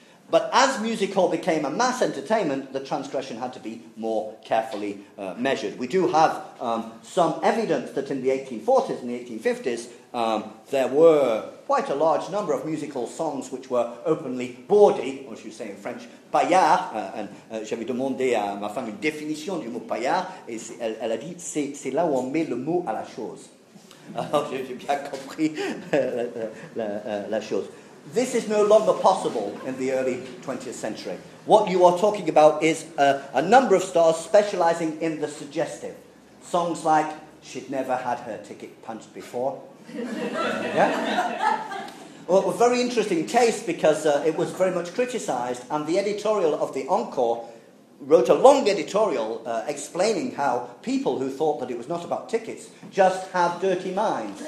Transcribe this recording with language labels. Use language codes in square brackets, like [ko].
[en] But as music hall became a mass entertainment, the transgression had to be more carefully measured. We do have some evidence that in the 1840s and the 1850s, there were quite a large number of music hall songs which were openly bawdy, or as you say in French, paillard. [fr] And j'avais demandé à ma femme une définition du mot paillard, et elle a dit c'est là où on met le mot à la chose. Alors j'ai bien compris la chose. [en] This is no longer possible in the early 20th century. What you are talking about is a number of stars specialising in the suggestive. Songs like, she'd never had her ticket punched before. Yeah? Well, it was a very interesting case because it was very much criticised, and the editorial of the Encore wrote a long editorial explaining how people who thought that it was not about tickets just have dirty minds.